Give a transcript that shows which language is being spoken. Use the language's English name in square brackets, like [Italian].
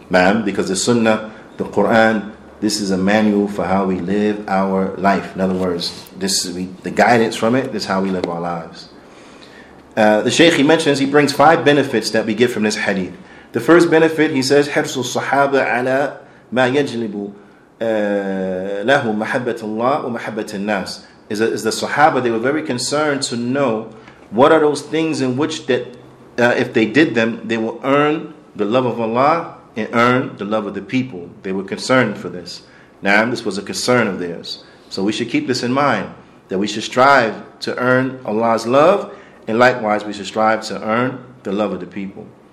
[English] Ma'am, because the Sunnah, the Quran, this is a manual for how we live our life. In other words, this is the guidance from it, this is how we live our lives. The Shaykh, he mentions, he brings five benefits that we get from this hadith. The first benefit, he says, [Arabic] حرص الصحابة على ما يجلب له محبة الله ومحبة الناس. [English] Is the Sahaba, they were very concerned to know what are those things in which that if they did them, they will earn the love of Allah and earn the love of the people. They were concerned for this. Now, this was a concern of theirs. So we should keep this in mind, that we should strive to earn Allah's love, and likewise we should strive to earn the love of the people.